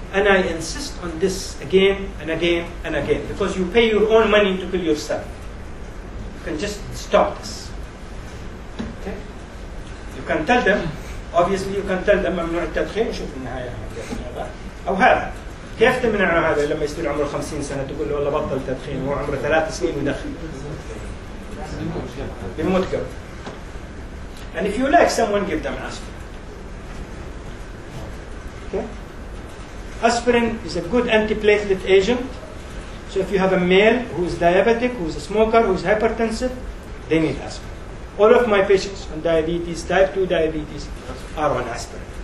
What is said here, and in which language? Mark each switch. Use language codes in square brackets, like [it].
[en] And I insist on this again and again and again, because you pay your own money to kill yourself. You can just stop this. Okay? You can tell them, obviously you can tell them [ar] ممنوع التدخين شوف النهاية أو هذا. كيف تمنع هذا لما يصير عمره 50 سنة تقول له والله بطل تدخين وهو عمره 3 سنين ويدخن؟ بيموت قبل. [en] And if you like someone, give them aspirin. Okay? Aspirin is a good antiplatelet agent. So if you have a male who is diabetic, who is a smoker, who is hypertensive, they need aspirin. All of my patients on diabetes, type 2 diabetes, are on aspirin.